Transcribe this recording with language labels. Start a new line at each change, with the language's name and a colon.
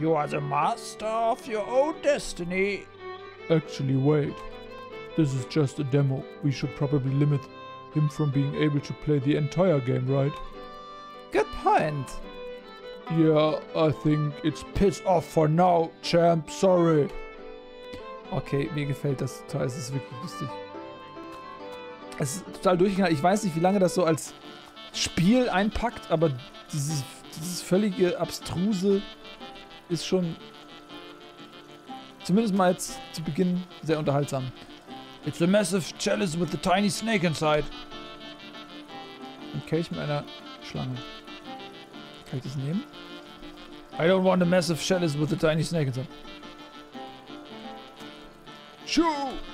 English: You are the master of your own destiny. Actually, wait. This is just a demo. We should probably limit him from being able to play the entire game, right? Good point. Yeah, I think it's piss off for now, champ. Sorry.
German: Okay, mir gefällt das total. Es ist wirklich lustig. Es ist total durchgeknallt. Ich weiß nicht, wie lange das so als Spiel einpackt, aber dieses völlige Abstruse ist schon zumindest mal jetzt zu Beginn sehr unterhaltsam.
English: It's a massive chalice with a tiny snake inside.
German: Ein Kelch mit einer Schlange. Kann ich das nehmen?
English: I don't want a massive chalice with a tiny snake inside. Shoo!